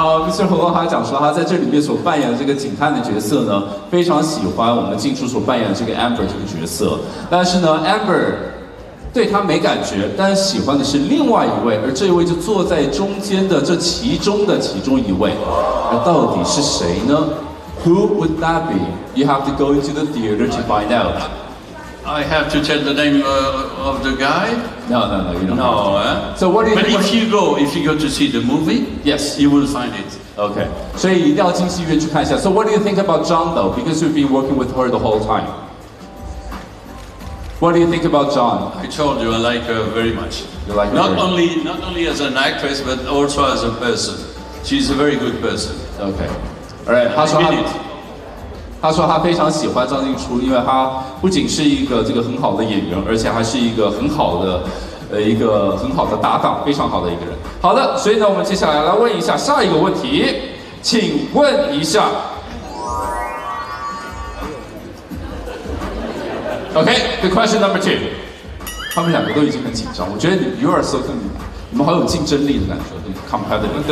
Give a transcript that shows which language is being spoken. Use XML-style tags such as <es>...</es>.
<zh>其实洪哥还讲说他在这里面所扮演的这个警探的角色呢，非常喜欢我们静初所扮演的这个 Amber 这个角色，但是呢 Amber 对他没感觉，但喜欢的是另外一位，而这一位就坐在中间的这其中的其中一位，而到底是谁呢？</zh> <en>Who would that be? You have to go into the theater to find out. I have to tell the name of the guy? No, you don't. No, eh? So what do you think? But if you go to see the movie, yes, you will find it. Okay.</en> <zh>所以一定要进戏院去看一下。</zh> <en>So what do you think about John though? Because you've been working with her the whole time. What do you think about John? I told you, I like her very much. You like her not very only, much? Not only as an actress, but also as a person. She's a very good person. Okay. All right.</en> <zh>他说他</zh> <en>I mean it.</en> <zh>他说他非常喜欢张静初，因为他不仅是一个这个很好的演员，而且还是一个很好的一个很好的搭档，非常好的一个人。好的，所以呢我们接下来问一下下一个问题，请问一下</zh> <en>OK the question number two，</en> <zh>他们两个都已经很紧张，我觉得</zh> <en>you are so good，</en> <zh>你们好有竞争力的感觉，competitive，</zh>